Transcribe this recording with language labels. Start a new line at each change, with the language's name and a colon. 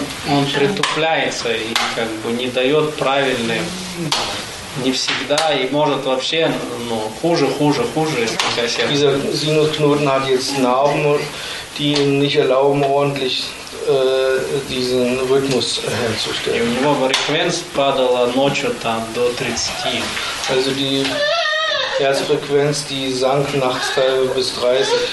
Russian: Он притупляется и как бы не дает правильным, не всегда, и может вообще, ну, хуже, если как сердце.
German: Dieser Sinusknoten hat jetzt Narben, die ihm nicht erlauben, ordentlich diesen Rhythmus herzustellen.
Russian: И у него фреквенс падала ночью там до 30.
German: Also die Herzfrequenz, die sank nachts teilweise bis 30.